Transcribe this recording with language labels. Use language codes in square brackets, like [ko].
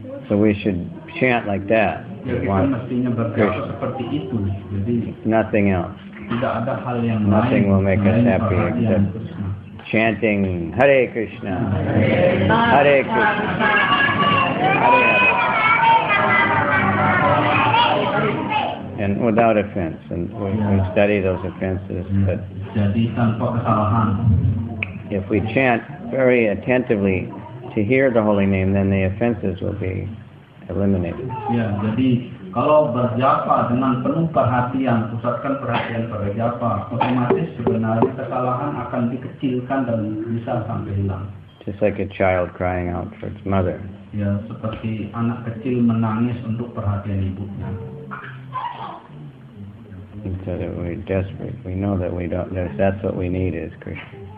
[en] So we should chant like that. [id] Kita mestinya berkata seperti itu. Jadi [en] nothing else. [id] Tidak ada hal yang [en] nothing [id] lain. [en] Nothing will make us happy except chanting Hare Krishna. Hare Krishna. Hare Krishna. And without offense. And we study those offenses. But [id] jadi tanpa kesalahan. [en] If we chant very attentively to hear the holy name, then the offenses will be eliminated. [id] Jadi kalau berjapa dengan penuh perhatian, pusatkan perhatian pada japa, otomatis sebenarnya kesalahan akan dikecilkan dan bisa sampai hilang. [en] Just like a child crying out for its mother. [id] Seperti anak kecil menangis untuk perhatian ibunya. [en] So that we're desperate. We know that we don't. That's what we need is Krishna.